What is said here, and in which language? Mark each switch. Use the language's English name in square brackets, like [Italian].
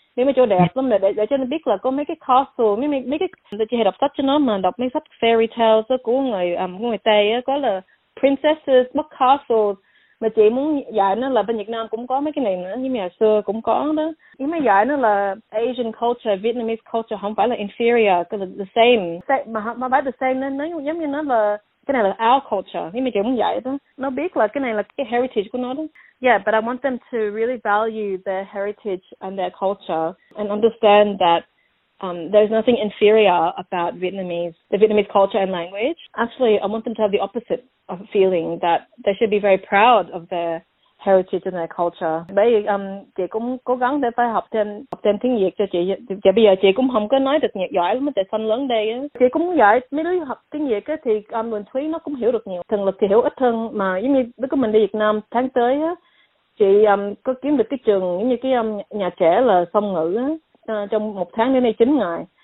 [Vietnamese] nếu mà chỗ đẹp lắm để cho nó biết là có mấy cái castle, mấy cái chị hay đọc sách cho nó mà đọc mấy sách fairy tales đó của người Tây á, có là princesses mất castle, mà chị muốn dạy nó là bên Việt Nam cũng có mấy cái này nữa, nhưng mà xưa cũng có đó, nhưng mà dạy nó là [English] Asian culture, Vietnamese culture [Vietnamese] không phải là inferior, cái là [English] the same, [Vietnamese] mà phải the same nên nó giống như nó là cái này là [English] our culture, [Vietnamese] nhưng mà chị muốn dạy đó, nó biết là cái này là cái heritage của nó đó. [English] Yeah, but I want them to really value their heritage and their culture and understand that there's nothing inferior about Vietnamese, the Vietnamese culture and language. Actually, I want them to have the opposite of feeling that they should be very proud of their heritage and their culture. [Vietnamese] Bây giờ chị cũng cố gắng để phải học thêm tiếng Việt cho chị. Và bây giờ chị cũng không có nói được Việt giỏi lắm, tại sinh lớn đây á. Chị cũng dạy mấy đứa học tiếng Việt á, thì mình thấy nó cũng hiểu được nhiều. Thần lực thì hiểu ít hơn, mà giống như đứa của mình đi Việt Nam tháng tới á, chị có kiếm được cái trường giống như cái nhà trẻ là song ngữ á, trong một tháng đến nay 9 ngày.